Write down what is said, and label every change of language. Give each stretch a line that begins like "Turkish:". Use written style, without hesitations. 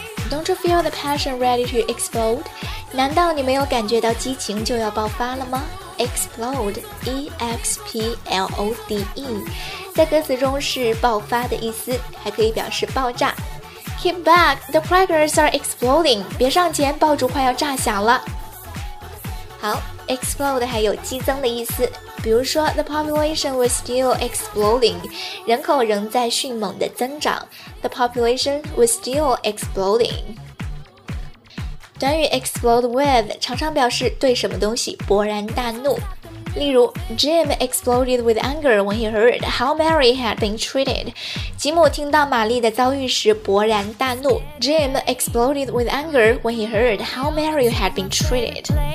English: Don't you feel the passion ready to explode?
Chinese: 难道你没有感觉到激情就要爆发了吗？
English: Explode, E-X-P-L-O-D-E.
Chinese: 在歌词中是爆发的意思，还可以表示爆炸。
English: Keep back, the crackers are exploding.
Chinese: 别上前，爆竹快要炸响了。好 ，explode 还有激增的意思。比如说 ，
English: the population was still exploding.
Chinese: 人口仍在迅猛的增长。
English: The population was still exploding.
Chinese: 短语 explode with 常常表示对什么东西勃然大怒。例如
English: ，Jim exploded with anger when he heard how Mary had been treated.
Chinese: 吉姆听到玛丽的遭遇时勃然大怒。
English: Jim exploded with anger when he heard how Mary had been treated.